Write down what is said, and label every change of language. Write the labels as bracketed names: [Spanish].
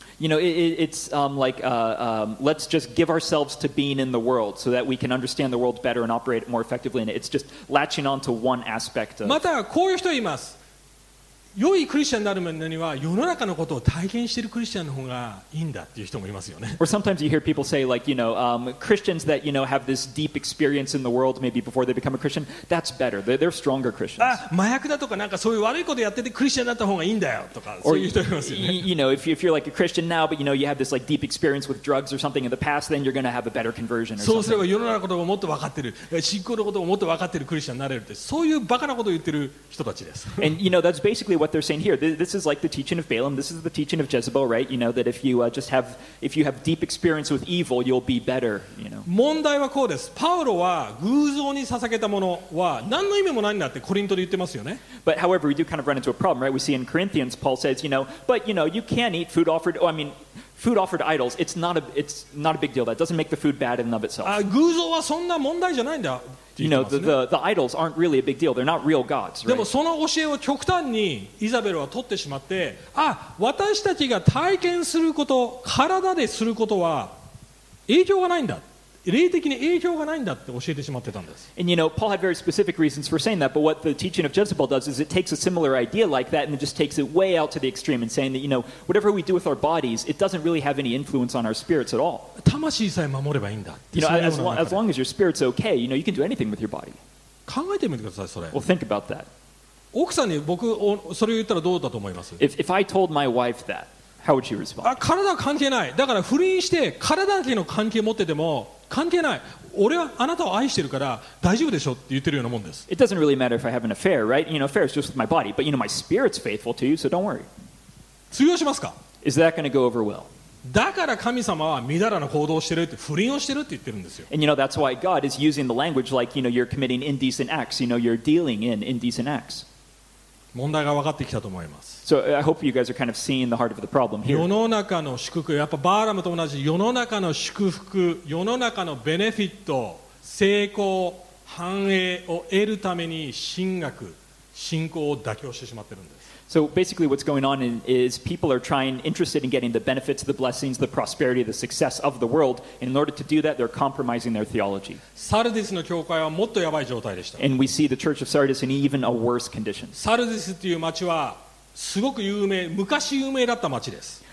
[English] You know, it's like let's just give ourselves to being in the world so that we can understand the world better and operate more effectively. And it's just latching onto one aspect of. [Japanese] またこういう人います。良いクリスチャンになるのには世の中のことを体験しているクリスチャンの方がいいんだっていう人もいますよね。 [English] Or sometimes you hear people say like, you know, Christians that, you know, have this deep experience in the world maybe before they become a Christian, that's better. They're stronger Christians. [Japanese] あ、麻薬だとかなんかそういう悪いことやっててクリスチャンになった方がいいんだよとかそういう人いますよね。 [English] Or, you know, if you're like a Christian now, but you know, you have this like deep experience with drugs or something in the past, then you're going to have a better conversion or something. [Japanese] そうすれば世の中のことをもっと分かってる、信仰のことをもっと分かってるクリスチャンになれるって、そういうバカなことを言ってる人たちです。 [English] And, you know, that's basically what what they're saying here. This is like the teaching of Balaam. This is the teaching of Jezebel, right? You know, that if you just have, if you have deep experience with evil, you'll be better, you know. [Japanese] 問題はこうです。パウロは偶像に捧げたものは何の意味もないんだってコリントで言ってますよね。 [English] But however, we do kind of run into a problem, right? We see in Corinthians, Paul says, you know, but you know, you can eat food offered, oh, I mean,food offered to idols, it's not a big deal. That doesn't make the food bad in and of itself. [Japanese] 偶像はそんな問題じゃないんだ。 [English] You know, the idols aren't really a big deal. They're not real gods, right? [Japanese] でもその教えを極端にイザベルは取ってしまって、あ、私たちが体験すること、体ですることは影響がないんだ。霊的に影響がないんだって教えてしまってたんです。 [English] And you know, Paul had very specific reasons for saying that, but what the teaching of Jezebel does is it takes a similar idea like that and it just takes it way out to the extreme and saying that, you know, whatever we do with our bodies, it doesn't really have any influence on our spirits at all. [Japanese] 魂さえ守ればいいんだ。 [English] You know, as long as your spirit's okay, you know, you can do anything with your body. [Japanese] 考えてみてください、それ。 [English] Well, think about that. [Japanese] 奥さんに僕それを言ったらどうだと思います? [English] If I told my wife that, how would she respond? [Japanese] 体は関係ない。だから不倫して体だけの関係を持ってても関係ない。俺はあなたを愛してるから大丈夫でしょって言ってるようなもんです。 [English] It doesn't really matter if I have an affair, right? You know, affair is just with my body, but you know, my spirit's faithful to you, so don't worry. [Japanese] 通用しますか? [English] Is that going to go over well? [Japanese] だから神様は乱らな行動をしてるって不倫をしてるって言ってるんですよ。 [English] And you know, that's why God is using the language like, you know, you're committing indecent acts, you know, you're dealing in indecent acts. [Japanese] 問題が分かってきたと思います。 [English] So I hope you guys are kind of seeing the heart of the problem here. [Japanese] 世の中の祝福、やっぱバーラムと同じ世の中の祝福、世の中のベネフィット、成功、繁栄を得るために神学、信仰を妥協してしまってるんです。 [English] So basically what's going on is people are trying, interested in getting the benefits, the blessings, the prosperity, the success of the world. And in order to do that, they're compromising their theology. [Japanese] サルディスの教会はもっとやばい状態でした。 [English] And we see the church of Sardis in even a worse condition. [Japanese] サルディスという町はすごく有名、昔有名だった町です。